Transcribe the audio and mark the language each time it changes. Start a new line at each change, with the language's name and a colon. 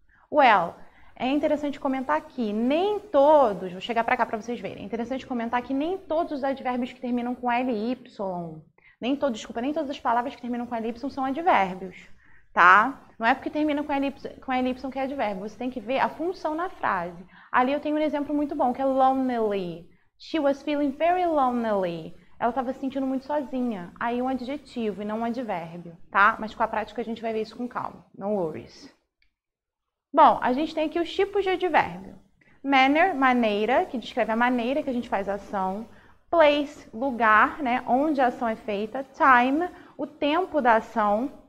Portuguese: Well, é interessante comentar aqui, nem todos, vou chegar para cá para vocês verem. É interessante comentar que nem todos os advérbios que terminam com ly, nem todos, desculpa, nem todas as palavras que terminam com ly são advérbios, tá? Não é porque termina com ly que é advérbio. Você tem que ver a função na frase. Ali eu tenho um exemplo muito bom, que é lonely.
English: She was feeling very lonely.
Portuguese: Ela estava se sentindo muito sozinha. Aí um adjetivo e não um advérbio, tá? Mas com a prática a gente vai ver isso com calma.
English: No worries.
Portuguese: Bom, a gente tem aqui os tipos de advérbio. Manner, maneira, que descreve a maneira que a gente faz a ação. Place, lugar, né? Onde a ação é feita. Time, o tempo da ação.